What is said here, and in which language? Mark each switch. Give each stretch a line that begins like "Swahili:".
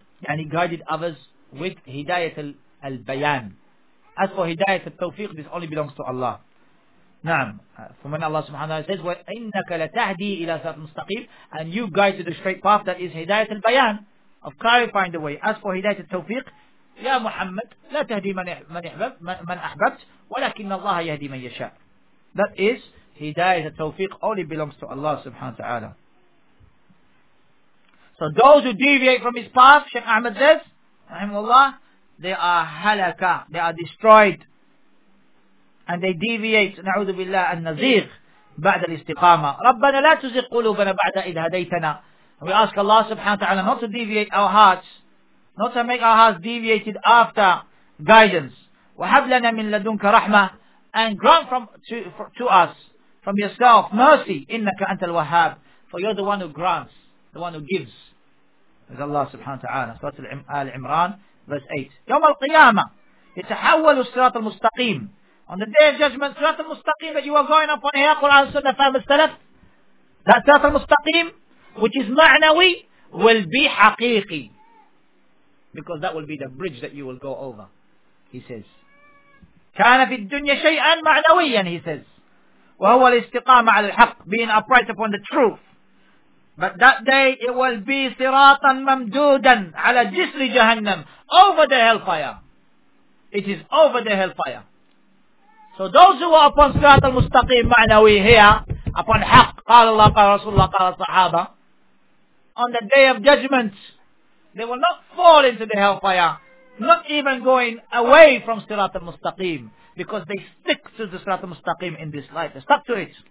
English: And he guided others with Hidayat al-Bayan. As for Hidayat al-Tawfiq, this only belongs to Allah. Naam. From when Allah subhanahu wa ta'ala says,
Arabic: وَإِنَّكَ لَتَهْدِي إِلَى صِرَاطِ الْمُسْتَقِيمِ.
English: And you guide to the straight path, that is Hidayat al-Bayan, of clarifying the way. As for Hidayat al-Tawfiq,
Arabic: يا محمد لا تهدي من أحببت ولكن الله يهدي من يشاء.
English: That is هداية التوفيق only belongs to Allah سبحانه وتعالى. So those who deviate from his path, Sheikh Ahmed says رحمه الله, they are هلكة, they are destroyed, and they deviate,
Arabic: نعوذ بالله, النزيغ بعد الاستقامة. ربنا لا تزغ قلوبنا بعد إذ هديتنا.
English: We ask Allah سبحانه وتعالى not to deviate our hearts, not to make our hearts deviated after guidance.
Arabic: وَحَبْ لَنَا مِنْ لَدُنْكَ رَحْمَةً.
English: And grant to us from yourself mercy.
Arabic: إِنَّكَ أَنْتَ الْوَهَّابُ.
English: For you're the one who grants, the one who gives. As Allah subhanahu wa ta'ala. Surah Al-Imran, verse 8.
Arabic: يوم القيامة يتحول الصراط المستقيم.
English: On the Day of Judgment, الصراط المستقيم that you are going up on here, Quran, Sunnah, Fahm al-Salaf, that الصراط المستقيم, which is معنوي, will be حقيقي. Because that will be the bridge that you will go over, he says.
Arabic: كان في الدنيا شيئا معنويا,
English: he says.
Arabic: وهو الاستقامة على الحق,
English: being upright upon the truth. But that day it will be
Arabic: صراطا ممدودا على جسر جهنم,
English: over the hellfire. It is over the hellfire. So those who are upon صراط المستقيم معنوي here, upon حق,
Arabic: قال الله قال رسول الله قال الصحابة,
English: on the Day of Judgment, they will not fall into the hellfire, not even going away from Sirat al-Mustaqim, because they stick to the Sirat al-Mustaqim in this life. They stuck to it.